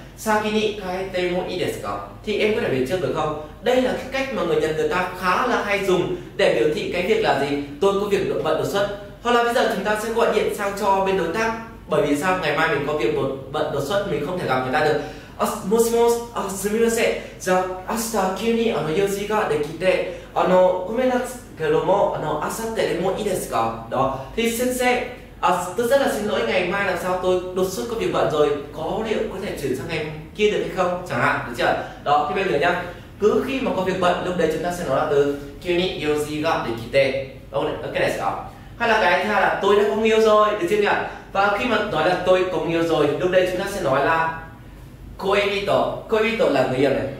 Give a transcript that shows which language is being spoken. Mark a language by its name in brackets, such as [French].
[Japanese] Saki ni kaete mo ii desu ka? [Vietnamese] Thì em có thể về trước được không? Đây là cái cách mà người Nhật người ta khá là hay dùng để biểu thị cái việc là gì? Tôi có việc đột bận đột xuất. Hoặc là bây giờ chúng ta sẽ gọi điện sang cho bên đối tác Bởi vì sao? Ngày mai mình có việc bận đột xuất, mình không thể gặp người ta được. [Japanese] もしもし、すみません。じゃあ明日急に用事ができて、ごめんなさいけども、明後日でもいいですか? [Vietnamese] Đó. Thì xin xét, tôi rất là xin lỗi ngày mai là sao tôi đột xuất có việc bận rồi, có liệu có thể chuyển sang ngày kia được hay không? Chẳng hạn, được chưa? Đó, thì bây giờ nhá. Cứ khi mà có việc bận, lúc đấy chúng ta sẽ nói là từ [Japanese] 急に用事ができて. Ok ですか? [Vietnamese] Hay là cái thứ hai là tôi đã có người yêu rồi, được chưa nhỉ? Và khi mà nói là tôi có người yêu rồi, lúc đấy chúng ta sẽ nói là 恋人 là người yêu này.